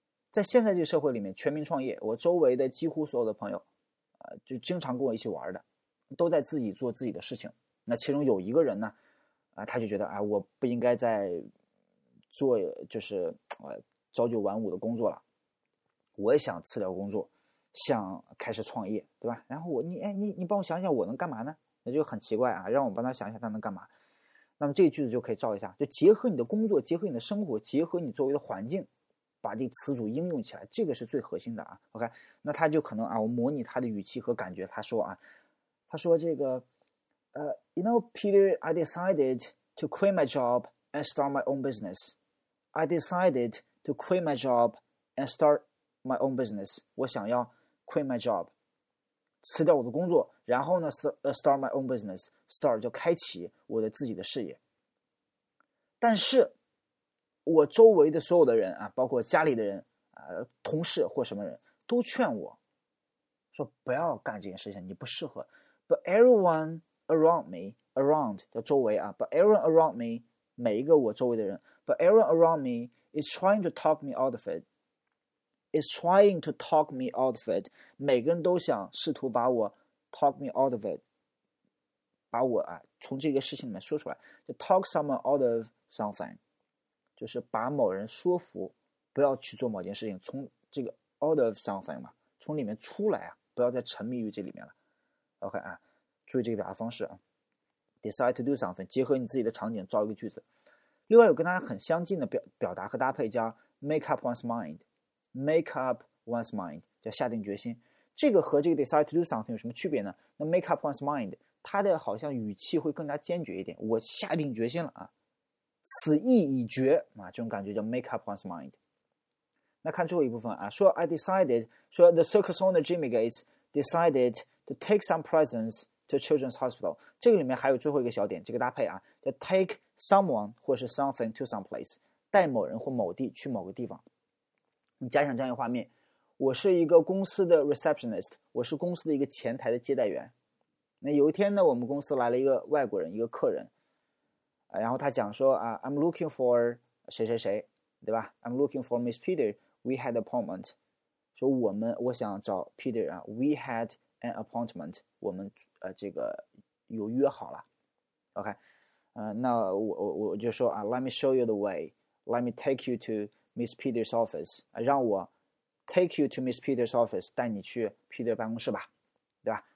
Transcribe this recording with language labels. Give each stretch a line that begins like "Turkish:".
Chinese: 在现在这个社会里面全民创业，我周围的几乎所有的朋友就经常跟我一起玩的都在自己做自己的事情，那其中有一个人呢他就觉得我不应该再做就是朝九晚五的工作了，我也想辞掉工作想开始创业，对吧？然后我你帮我想想我能干嘛呢，那就很奇怪啊，让我帮他想想他能干嘛。那么这个句子就可以照一下，就结合你的工作，结合你的生活，结合你周围的环境，把这词组应用起来，这个是最核心的啊。 OK， 那他就可能我模拟他的语气和感觉，他说他说这个
English: You know, Peter, I decided to quit my job and start my own business. I decided to quit my job and start my own business.
Chinese: 我想要
English: quit my job，
Chinese: 辞掉我的工作，然后呢
English: start my own business.
Chinese: Start 就开启我的自己的事业。但是我周围的所有的人包括家里的人同事或什么人都劝我说不要干这件事情，你不适合。
English: But everyone around me， around 的周围But everyone around me，
Chinese: 每一个我周围的人，
English: But everyone around me is trying to talk me out of it， is trying to talk me out of it，
Chinese: 每个人都想试图把我
English: talk me out of it，
Chinese: 把我从这个事情里面说出来，
English: 就 talk someone out of something，
Chinese: 就是把某人说服不要去做某件事情，
English: 从这个 out of something 嘛，从里面出来不要再沉迷于这里面了。
Chinese: OK 注意这个表达方式
English: decide to do something，
Chinese: 结合你自己的场景造一个句子。另外有跟大家很相近的 表达和搭配叫
English: make up one's mind，
Chinese: make up one's mind 叫下定决心。这个和这个
English: decide to do something
Chinese: 有什么区别呢？那
English: make up one's mind
Chinese: 它的好像语气会更加坚决一点，我下定决心了此意已决这种感觉叫 make up one's mind。那看最后一部分说
English: I decided， 说 the circus owner Jimmy Gates decided to take some presents to children's hospital。
Chinese: 这个里面还有最后一个小点，这个搭配叫
English: take someone
Chinese: 或是
English: something to some place，
Chinese: 带某人或某地去某个地方。你加上这样一个画面，我是一个公司的 receptionist， 我是公司的一个前台的接待员。那有一天呢，我们公司来了一个外国人，一个客人，然后他讲说
English: I'm looking for
Chinese: 谁谁谁，对吧？
English: I'm looking for Miss Peter. We had an appointment.
Chinese: 说我想找
English: Peter We had an appointment.
Chinese: 我们这个有约好了。
English: OK，
Chinese: 那我就说
English: Let me show you the way. Let me take you to Miss Peter's office.
Chinese: 让我
English: take you to Miss Peter's office，
Chinese: 带你去 Peter 办公室吧，对吧？